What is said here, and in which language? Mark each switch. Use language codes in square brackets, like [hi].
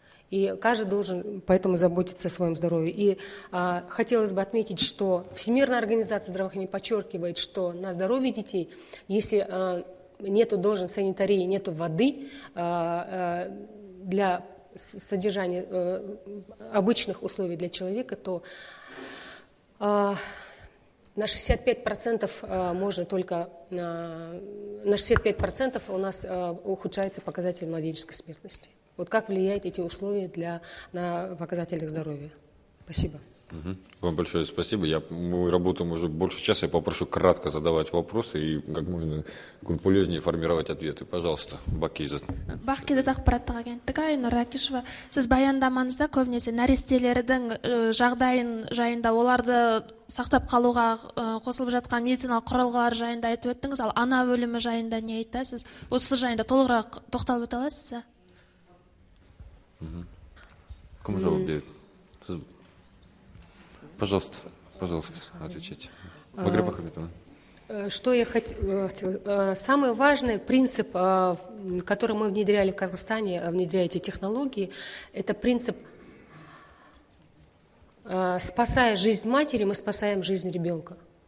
[ru] И каждый должен поэтому заботиться о своем здоровье. И хотелось бы отметить, что Всемирная организация здравоохранения подчеркивает, что на здоровье детей, если нету должен санитарии, нету воды для содержания обычных условий для человека, то на 65% можно только на 65% у нас ухудшается показатель младенческой смертности. Вот как влияют эти условия на показатели здоровья? Спасибо. Вам большое спасибо. Мы работаем уже больше часа. Я попрошу кратко задавать вопросы и как можно полезнее формировать ответы. Пожалуйста, Бакизат. [kk] Бакизат Ахпараттық агенттігі Айнұр Ракишева. Сіз баяндамаңызда көбінесе нәрестелердің жағдайын жайында оларды сақтап қалуға қосылып жатқан медициналық құрылғылар жайында айтып өттіңіз. Ал ана өлімі жайында не айтасыз? Осы жайында толығырақ тоқталып өте аласыз ба? Кім жауап береді? Сіз [ru] Пожалуйста, отвечайте. Магра Бахметовна. Что я хотела... Самый важный принцип, который мы внедряли в Казахстане, внедряя эти технологии, это принцип, спасая жизнь матери, мы спасаем жизнь ребенка.